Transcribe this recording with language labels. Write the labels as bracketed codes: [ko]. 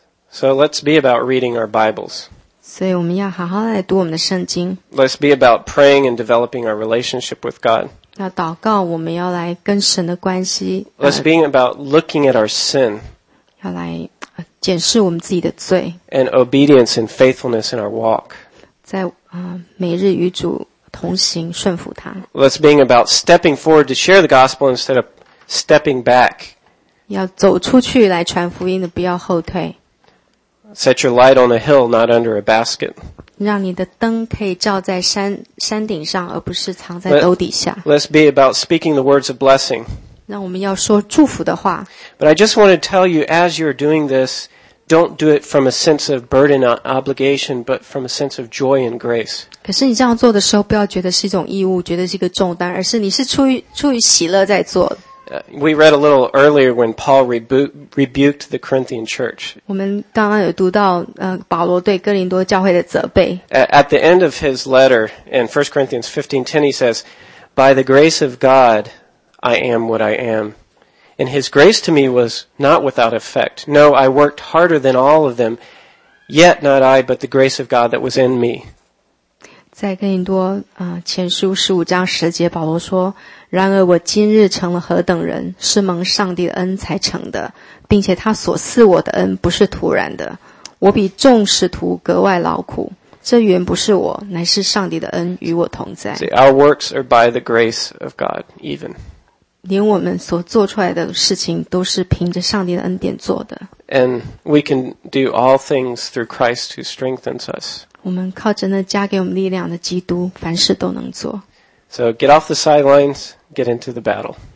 [en] So let's be about reading our Bibles. [zh] 所以我们要好好来读我们的圣经。 [en] Let's be about praying and developing our relationship with God. [zh] 要祷告，我们要来跟神的关系。 [en] Let's be about looking at our sin. [zh] 要来检视我们自己的罪。 [en] And obedience and faithfulness in our walk. [zh] 在每日与主同行，顺服他。 [en] Let's be about stepping forward to share the gospel instead of stepping back. [zh] 要走出去来传福音的，不要后退。 [en] Set your light on a hill, not under a basket. [zh] 让你的灯可以照在山顶上，而不是藏在兜底下。 [en] Let's be about speaking the words of blessing. [zh] 让我们要说祝福的话。 [en] But I just want to tell you, as you're doing this, don't do it from a sense of burden or obligation, but from a sense of joy and grace. [zh] 可是你这样做的时候，不要觉得是一种义务，觉得是一个重担，而是你是出于喜乐在做。 [en] We read a little earlier when Paul rebuked the Corinthian church. [zh] 我们刚刚有读到保罗对哥林多教会的责备。 [en] At the end of his letter in 1 Corinthians 15:10 he says, "By the grace of God I am what I am. And his grace to me was not without effect. No, I worked harder than all of them, yet not I but the grace of God that was in me." [zh] 在哥林多前书15章10节保罗说，然而我今日成了何等人，是蒙上帝的恩才成的，并且他所赐我的恩不是徒然的，我比众使徒格外劳苦，这原不是我，乃是上帝的恩与我同在。 [en] See, our works are by the grace of God, even. [zh] 连我们所做出来的事情都是凭着上帝的恩典做的。 [en] And we can do all things through Christ who strengthens us. [zh] 我们靠着那加给我们力量的基督，凡事都能做。 [en] So get off the sidelines, get into the battle.